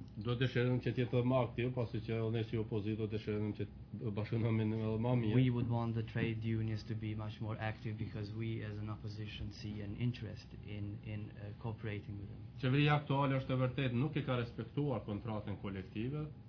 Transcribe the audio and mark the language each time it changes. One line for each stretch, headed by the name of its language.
Albanian: Do të dëshirojmë që të jetë më aktiv, pasi që ne si opozita dëshirojmë që të bashkëpunojmë në më mirë.
English: We would want the trade unions to be much more active because we as an opposition see an interest in cooperating with them.
Albanian: Qeveria aktuale është vërtet nuk e ka respektuar kontratën kolektive.